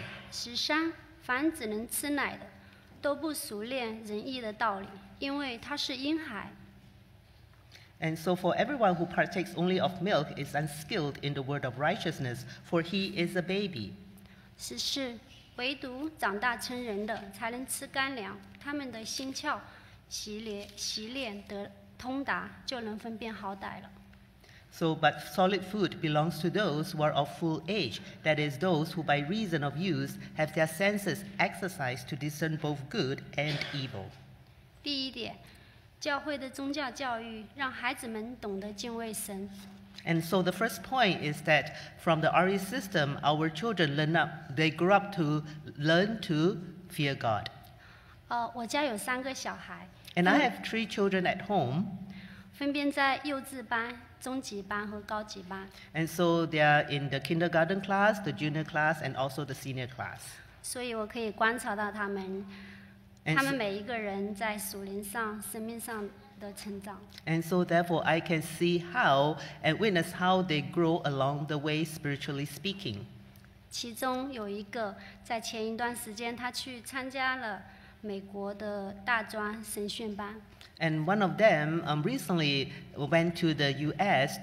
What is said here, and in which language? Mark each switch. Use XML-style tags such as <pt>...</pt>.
<zh>十三，凡只能吃奶的，都不熟练仁义的道理，因为他是婴孩。</zh> <en>And so for everyone who partakes only of milk is unskilled in the word of righteousness, for he is a baby.</en> <zh>十四，唯独长大成人的才能吃干粮，他们的心窍习练得通达，就能分辨好歹了。</zh> <en>So, but solid food belongs to those who are of full age, that is, those who by reason of use have their senses exercised to discern both good and evil.</en> <zh>第一点，教会的宗教教育让孩子们懂得敬畏神。</zh> <en>And so the first point is that from the RE system, our children grow up to learn to fear God.</en> <zh>我家有三个小孩。</zh> <en>And I have three children at home.</en> <zh>分别在幼稚班、中级班和高级班。</zh> <en>And so they are in the kindergarten class, the junior class, and also the senior class.</en> <zh>所以我可以观察到他们，他们每一个人在属灵上、生命上的成长。</zh> <en>And so therefore, I can see how and witness how they grow along the way, spiritually speaking.</en> <zh>其中有一个在前一段时间，他去参加了。美国的大专神训班。</zh> <en>And one of them recently went to the U.S.</en>